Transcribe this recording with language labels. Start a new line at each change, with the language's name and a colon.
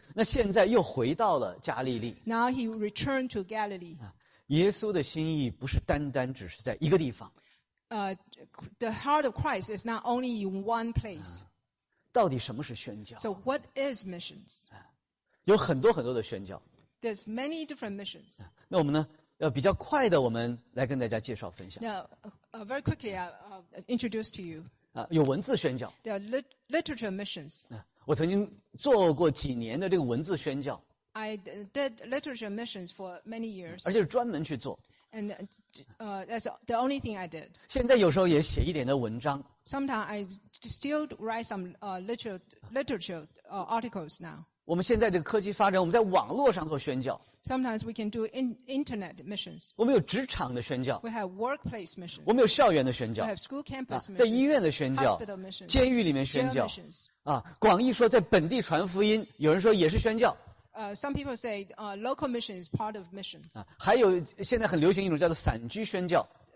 Chinese: 那现在又回到了加利利。
English: Now he returned to Galilee.
Chinese: 耶稣的心意不是单单只是在一个地方。
English: the heart of Christ is not only in one place.
Chinese: 到底什么是宣教？
English: So what is missions?
Chinese: 有很多很多的宣教。
English: There's many different missions.
Chinese: 那我们呢？比较快的，我们来跟大家介绍分享。
English: Now, very quickly, introduce to you.
Chinese: 有文字宣教。
English: There are literature missions.
Chinese: 我曾经做过几年的这个文字宣教。
English: I did literature missions for many years.
Chinese: 而且是专门去做。
English: And that's the only thing I did.
Chinese: 现在有时候也写一点的文章。
English: Sometimes I still write some literature articles now.
Chinese: 我们现在的科技发展，我们在网络上做宣教。
English: Sometimes we can do internet missions.
Chinese: 我们有职场的宣教。
English: We have workplace missions.
Chinese: 我们有校园的宣教。
English: We have school campus missions.
Chinese: 在医院的宣教。
English: Hospital missions.
Chinese: 监狱里面宣教。
English: Jail missions.
Chinese: 广义说在本地传福音，有人说也是宣教。
English: Some people say local mission is part of mission.
Chinese: 还有现在很流行一种叫做散居宣教。